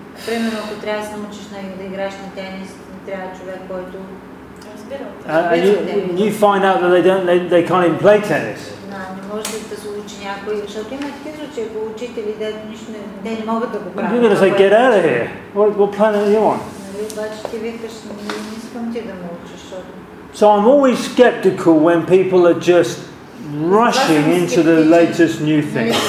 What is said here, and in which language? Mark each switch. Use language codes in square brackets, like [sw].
[bg] Примерно, ако трябва да се научиш да играеш на тенис, трябва човек, който... Разбира. [en] You find out that they can't even play tennis. [bg] Не може да се учи някой, защото има такива случаи, ако учители, те не могат да го правят. [en] You're going to say, get out of here. What planet do you want? [bg] Обаче ти викаш, не искам ти да ме учиш, защото... [en] So I'm always skeptical when people are just rushing into the latest new thing.